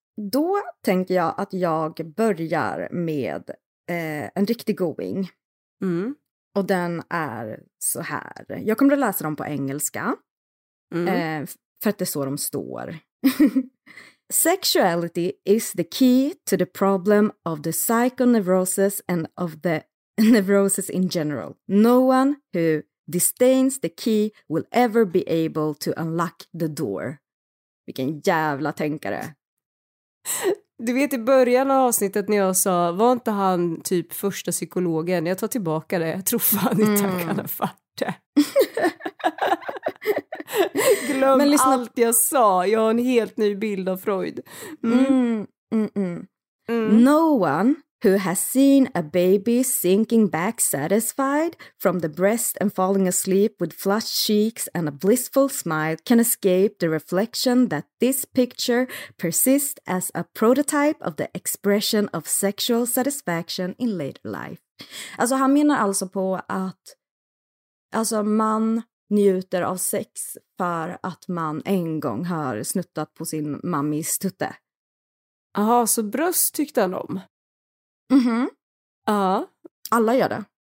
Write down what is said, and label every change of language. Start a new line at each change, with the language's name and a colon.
Swedish: då tänker jag att jag börjar med en riktig going. Mm. Och den är så här. Jag kommer att läsa dem på engelska. Mm. För att det är så de står.
English: Sexuality is the key to the problem of the psychoneurosis and of the neurosis in general. No one who disdains the key will ever be able to unlock the door.
Swedish: Vilken jävla tänkare. Du vet i början av avsnittet när jag sa, var inte han typ första psykologen? Jag tar tillbaka det. Jag tror fan inte han kan ha fart det. Glöm men liksom... allt jag sa. Jag har en helt ny bild av Freud.
English: No one who has seen a baby sinking back satisfied from the breast and falling asleep with flushed cheeks and a blissful smile can escape the reflection that this picture persists as a prototype of the expression of sexual satisfaction in later life.
Swedish: Alltså han menar alltså på att alltså man njuter av sex för att man en gång har snuttat på sin mammis tutte. Aha, så bröst tyckte han om. Alla gör det.